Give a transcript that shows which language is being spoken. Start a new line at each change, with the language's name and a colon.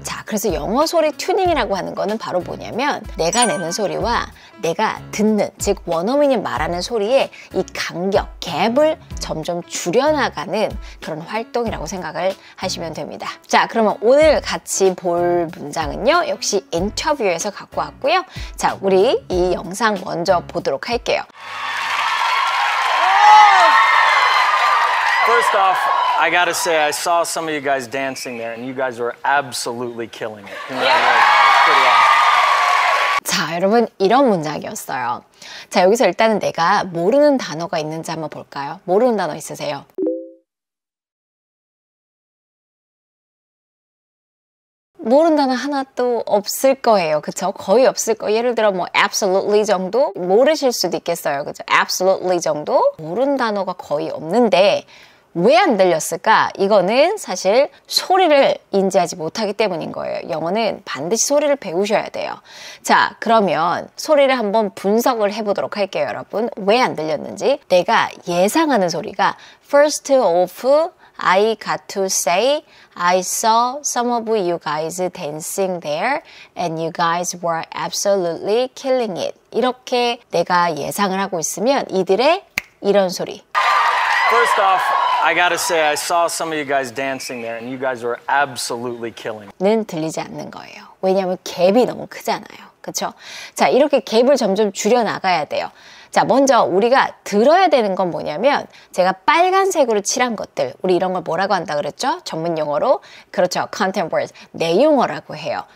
Korean: 자, 그래서 영어 소리 튜닝이라고 하는 거는 바로 뭐냐면 내가 내는 소리와 내가 듣는, 즉 원어민이 말하는 소리의 이 간격, 갭을 점점 줄여나가는 그런 활동이라고 생각을 하시면 됩니다. 자, 그러면 오늘 같이 볼 문장은요. 역시 인터뷰에서 갖고 왔고요. 자, 우리 이 영상 먼저 보도록 할게요.
English: First off, I gotta say, I saw some of you guys dancing there, and you guys were absolutely killing it. Yeah. Yeah. It was pretty awesome.
Korean: 자, 여러분, 이런 문장이었어요. 자, 여기서 일단은 내가 모르는 단어가 있는지 한번 볼까요? 모르는 단어 있으세요? 모르는 단어 하나 또 없을 거예요. 그쵸? 거의 없을 거예요. 예를 들어 뭐 absolutely 정도? 모르실 수도 있겠어요. 그쵸? absolutely 정도? 모르는 단어가 거의 없는데 왜 안 들렸을까? 이거는 사실 소리를 인지하지 못하기 때문인 거예요. 영어는 반드시 소리를 배우셔야 돼요. 자, 그러면 소리를 한번 분석을 해보도록 할게요, 여러분. 왜 안 들렸는지. 내가 예상하는 소리가
English: First off, I got to say, I saw some of you guys dancing there and you guys were absolutely killing it.
Korean: 이렇게 내가 예상을 하고 있으면 이들의 이런 소리.
English: First off, I gotta say, I saw some of you guys dancing there and you guys were absolutely killing it.
Korean: 는 들리지 않는 거예요. 왜냐하면 갭이 너무 크잖아요. 그렇죠? 자, 이렇게 갭을 점점 줄여나가야 돼요. 자, 먼저 우리가 들어야 되는 건 뭐냐면 제가 빨간색으로 칠한 것들, 우리 이런 걸 뭐라고 한다 그랬죠? 전문 용어로? 그렇죠, content words, 내용어라고 해요.